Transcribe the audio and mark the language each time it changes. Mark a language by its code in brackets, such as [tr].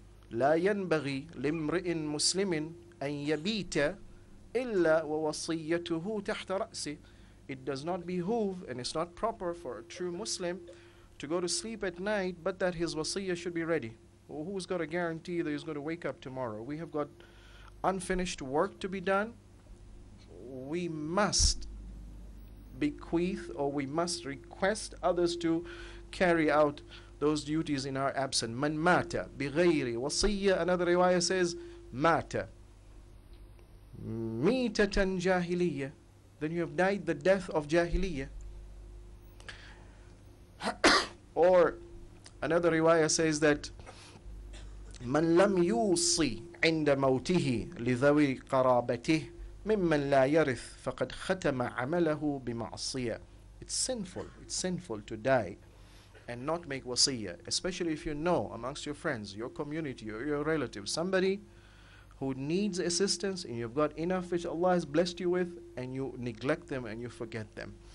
[ar] لا ينبغي لمرئ مسلم أن يبيت إلا ووصيته تحت رأسه. [en] It does not behoove and it's not proper for a true Muslim to go to sleep at night but that his wasiyah should be ready. Well, who's got a guarantee that he's going to wake up tomorrow? We have got unfinished work to be done. We must bequeath or we must request others to carry out those duties in our absence. [ar] من مات بغير وصية. [en] Another riwayah says [ar] مات ميتة جاهلية. [en] Then you have died the death of جاهلية. Or another riwayah says that [ar] من لم يوصي عند موته لذوي قرابته ممن لا يرث فقد ختم عمله بمعصية. [en] It's sinful to die and not make wasiyah, especially if you know amongst your friends, your community, or your relatives, somebody who needs assistance and you've got enough which Allah has blessed you with and you neglect them and you forget them.